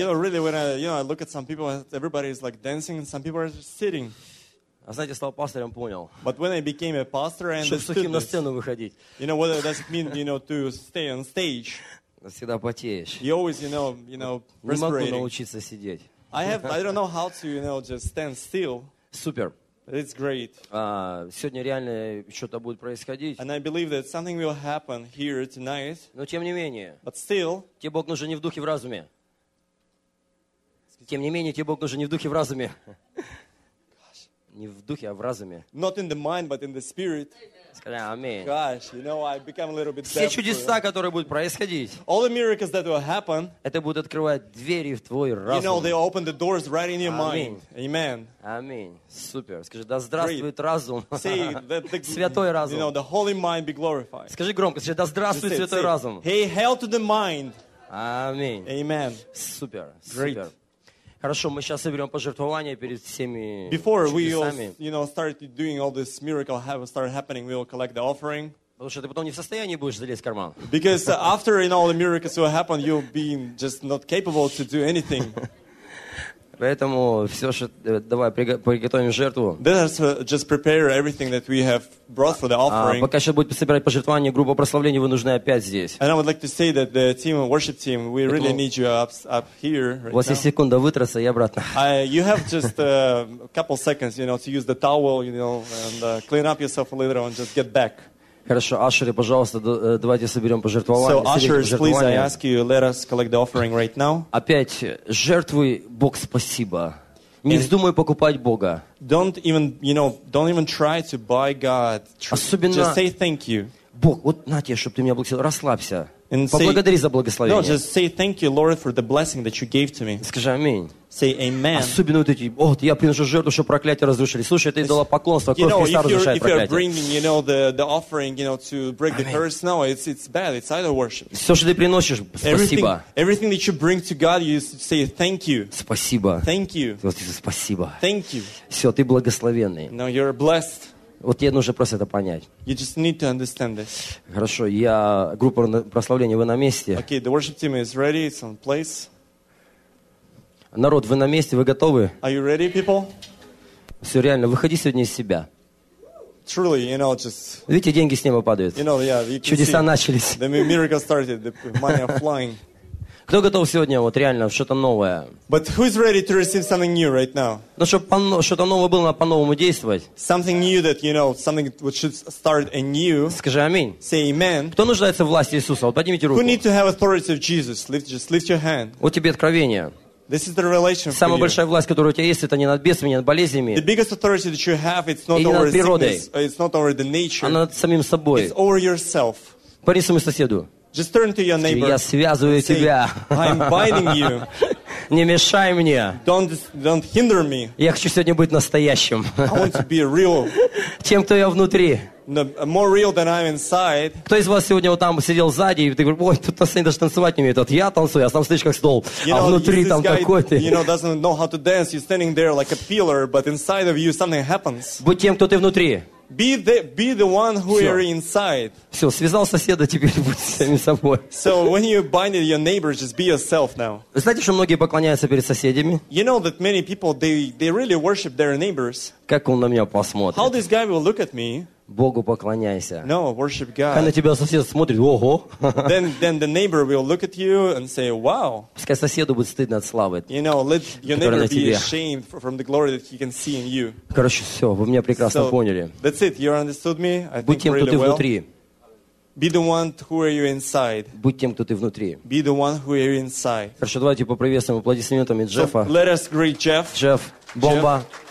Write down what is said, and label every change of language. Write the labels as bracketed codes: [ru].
[en] You know, really, when I, you know, I look at some people, everybody is like dancing, and some people are just sitting. [ru] А знаете, стал пастором, понял. [en] But when I became a pastor, I understood. [ru] Чтобы на сцену выходить. [en] You know, what does it mean, you know, to stay on stage? [ru] Всегда потеешь. [en] You always, you know, respirating. [ru] Не могу научиться сидеть. [en] I don't know how to, you know, just stand still. [ru] Супер. [en] It's great. [ru] Сегодня реально что-то будет происходить. [en] And I believe that something will happen here tonight. [ru] Но тем не менее. [en] But still. [ru] Тебе Бог нужен не в духе, в разуме. Тем не менее, тебе Бог нужен не в духе, в разуме. [en] Gosh. [ru] Не в духе, а в разуме. [en] Not in the mind, but in the spirit. [ru] Скажи, аминь. [en] Gosh, you know, I become a little bit. [ru] Все чудеса, которые будут происходить. [en] All the miracles that will happen. [ru] Это будут открывать двери в твой разум. [en] You know, they open the doors right in your mind. Amen. [ru] Аминь. Супер. Скажи, да здравствует разум. [en] Say [ru] святой разум. [en] You know, the holy mind be glorified. [ru] Скажи громко, скажи, да здравствует святой разум. [en] Hey, hail to the mind. [ru] Аминь. [en] Amen. [ru] Супер. Супер. Хорошо, мы сейчас соберем пожертвования перед всеми чудесами. [en] Before we all, you know, started doing all this miracle have started happening, we will collect the offering. [ru] Потому что ты потом не в состоянии будешь залезть в карман. [en] Because after, you know, all the miracles will happen, you'll be just not capable to do anything. [ru] Поэтому все, что давай приготовим жертву. [en] Just prepare everything that we have brought for the offering. [ru] Пока сейчас будет собирать пожертвования, группа прославления, вы нужны опять здесь. [en] And I would like to say that the team, worship team, we really need you up here. [ru] У вас есть секунда вытраться и обратно. [en] You have just a couple seconds, you know, to use the towel, you know, and clean up yourself a little and just get back. [ru] Хорошо, ашеры, пожалуйста, давайте соберем пожертвования. [en] So, ushers, please, I ask you, let us collect the offering right now. [ru] Опять, жертвуй, Бог, спасибо. Не вздумай покупать Бога. [en] Don't even, you know, don't even try to buy God. [ru] Особенно, [en] just say thank you. [ru] Бог, вот на тебе, чтобы ты меня благословил. Расслабься. Поблагодари за благословение. [en] No, just say thank you, Lord, for the blessing that you gave to me. [ru] Скажи аминь. [en] Say amen. [ru] Особенно вот эти, вот я приношу жертву, чтобы проклятие разрушили. Слушай, это идолопоклонство, кровь Христа разрушает проклятие. [en] If you're bringing, you know, the offering, you know, to break the curse, no, it's bad, it's idol worship. [ru] Все, что ты приносишь, спасибо. [en] Everything that you bring to God, you say thank you. [ru] Спасибо. [en] Thank you. [ru] Вот это спасибо. [en] Thank you. [ru] Все, ты благословенный. [en] No, you're blessed. [ru] Вот тебе нужно просто это понять. [en] You just need to understand this. [ru] Хорошо, я группа прославления, вы на месте. [en] Okay, the worship team is ready, it's on place. [ru] Народ, вы на месте, вы готовы? [en] Are you ready, people? [ru] Все реально, выходи сегодня из себя. [en] Truly, you know, just. [ru] Видите, деньги с неба падают. [en] You know, yeah, you [ru] чудеса [en] see, [ru] начались. [en] The miracle started, the money are flying. [ru] Кто готов сегодня вот реально что-то новое? [en] But who is ready to receive something new right now? [ru] Ну, чтобы что-то новое было, надо по-новому действовать. [en] Something new that, you know, something which should start anew. [ru] Скажи аминь. [en] Say amen. [ru] Кто нуждается в власти Иисуса? Вот поднимите руку. [en] Who need to have authority of Jesus? Just lift your hand. [ru] Вот тебе откровение. [en] This is the relationship. [ru] Самая большая власть, которую у тебя есть, это не над бесами, не над болезнями. [en] The biggest authority that you have, it's not over sickness, it's not over the nature. [ru] Она над самим собой. [en] It's over yourself. [ru] Поди к своему соседу. [en] Just turn to your neighbor. [ru] Я связываю тебя. [en] I'm binding you. [ru] Не мешай мне. [en] Don't hinder me. [ru] Я хочу сегодня быть настоящим. [en] I want to be real. [ru] Тем, кто я внутри. [en] No, more real than I'm inside. [ru] Кто из вас сегодня вот там сидел сзади и ты говоришь, ой, тут Сань даже танцевать не умеет. Вот я танцую, я сам стоишь как стол, [en] you know, [ru] а внутри там такой ты. [en] You know, doesn't know how to dance. You're standing there like a pillar, but inside of you something happens. [ru] Будь тем, кто ты внутри. [en] Be the one who are inside. [ru] Все, связал соседа, теперь будь самим собой. [en] So when you bind your neighbors, just be yourself now. [ru] Вы знаете, что многие поклоняются перед соседями? [en] You know that many people they really worship their neighbors. [ru] Как он на меня посмотрит? [en] How this guy will look at me? [ru] Богу поклоняйся. [en] No, worship God. [ru] Когда тебя сосед смотрит, ого. [en] Then the neighbor will look at you and say, wow. [ru] Пускай соседу будет стыдно от славы. [en] You know, let your neighbor be ashamed from the glory that he can see in you. [ru] Короче, все, вы меня прекрасно поняли. [en] That's it. You understood me. [ru] Будь тем, кто ты внутри. [en] Be the one who are you inside. [ru] Будь тем, кто ты внутри. [en] Be the one who are you inside. [ru] Хорошо, давайте поприветствуем аплодисментами Джеффа. Let us greet Jeff. Джефф, бомба.